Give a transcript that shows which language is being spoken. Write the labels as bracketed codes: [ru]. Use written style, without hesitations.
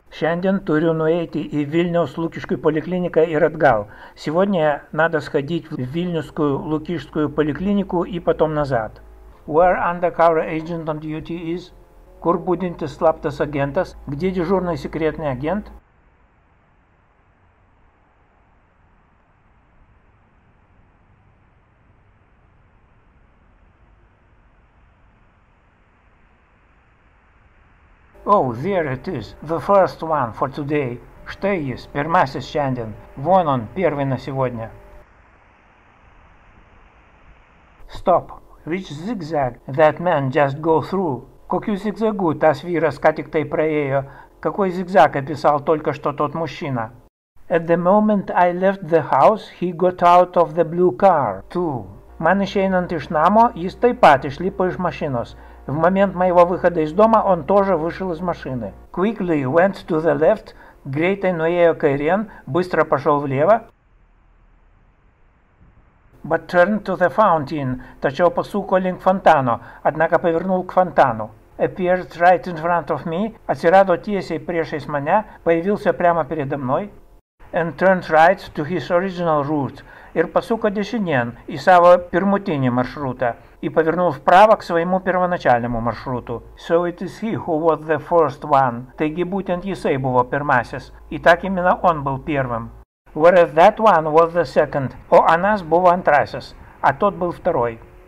[lt] Šiandien turiu nueiti į Vilniaus Lukiškių polikliniką ir atgal. [ru] Сегодня надо сходить в Вильнюсскую Лукишскую поликлинику и потом назад. [en] Where undercover agent on duty is? [lt] Kur budintis slaptas agentas? [ru] Где дежурный секретный агент? [en] Oh, there it is, the first one for today. [lt] Štai jis, pirmasis šiandien. [ru] Вон он, первый на сегодня. [en] Stop. Which zigzag that man just go through? [lt] Kokiu zigzagu tas vyras ką tik tai praėjo? [ru] Какой зигзаг описал только что тот мужчина? [en] At the moment I left the house, he got out of the blue car, too. [lt] Man išeinant iš namo, jis taip pat išlipo iš mašinos. [ru] В момент моего выхода из дома он тоже вышел из машины. [en] Quickly went to the left, [lt] greitai nuėjo kairien, [ru] быстро пошел влево. [en] But turned to the fountain, [lt] tačiau pasuko link фонтану, [ru] однако повернул к фонтану. [en] Appeared right in front of me, [lt] atsirado tiesiai priešais mane, [ru] появился прямо передо мной. [en] And turned right to his original route, [lt] ir pasuko dešinien į savo pirmutinį маршрутą. [ru] И повернул вправо к своему первоначальному маршруту. [en] So it is he who was the first one. [lt] Taigi būtent jisai buvo pirmasis. [ru] И так именно он был первым. [en] Whereas that one was the second. [lt] O anas buvo antrasis. [ru] А тот был второй.